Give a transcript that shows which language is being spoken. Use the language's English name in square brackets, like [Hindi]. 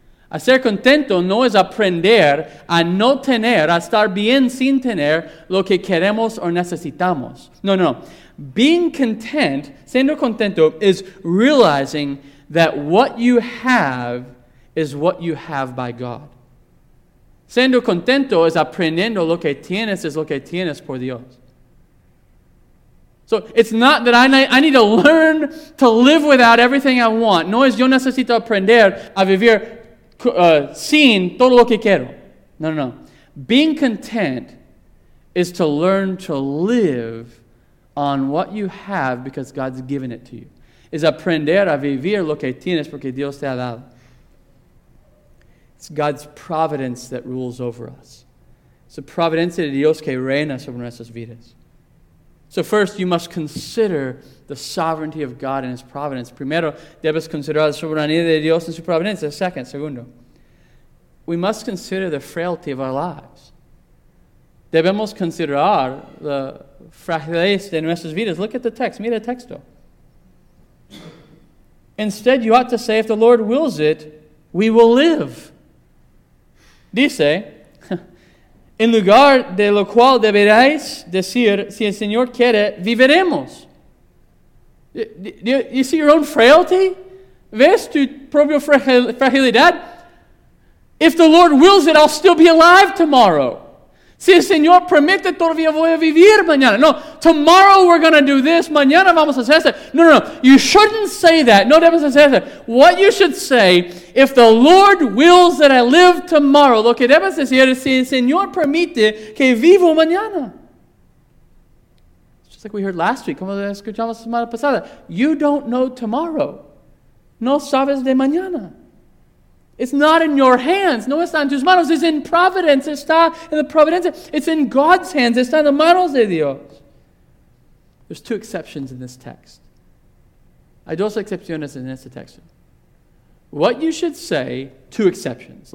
[Spanish] Hacer contento no es aprender a no tener, a estar bien sin tener lo que queremos o necesitamos. No. [English] Being content, [Spanish] siendo contento, [English] is realizing that what you have is what you have by God. [Spanish] Siendo contento es aprendiendo lo que tienes es lo que tienes por Dios. [English] So it's not that I need to learn to live without everything I want. [Spanish] No es yo necesito aprender a vivir sin todo lo que quiero. No. [English] Being content is to learn to live on what you have because God's given it to you. [Spanish] Es aprender a vivir lo que tienes porque Dios te ha dado. [English] It's God's providence that rules over us. It's the [Spanish] providencia de Dios que reina sobre nuestras vidas. [English] So first, you must consider the sovereignty of God and His providence. [Spanish] Primero, debes considerar la soberanía de Dios en su providencia. Segundo, [English] we must consider the frailty of our lives. [Spanish] Debemos considerar la fragilidad de nuestras vidas. [English] Look at the text. [Spanish] Mira el texto. [English] Instead, you ought to say, if the Lord wills it, we will live. [Spanish] Dice, en lugar de lo cual deberéis decir, si el Señor quiere, viviremos. [English] You see your own frailty? [Spanish] ¿Ves tu propia fragilidad? [English] If the Lord wills it, I'll still be alive tomorrow. [Spanish] Si el Señor permite, todavía voy a vivir mañana. [English] No, tomorrow we're going to do this, [Spanish] mañana vamos a hacer eso. [English] No, you shouldn't say that. [Spanish] No debes hacer eso. [English] What you should say, if the Lord wills that I live tomorrow, [Spanish] lo que debes decir es si el Señor permite que vivo mañana. [English] It's just like we heard last week, [Spanish] como escuchamos la semana pasada. [English] You don't know tomorrow. [Spanish] No sabes de mañana. [English] It's not in your hands. [Spanish] No está en tus manos. [English] It's in providence. [Spanish] Está en la providencia. [English] It's in God's hands. [Spanish] Está en las manos de Dios. [English] There's two exceptions in this text. [Spanish] Hay dos excepciones en este texto. [English] What you should say, two exceptions.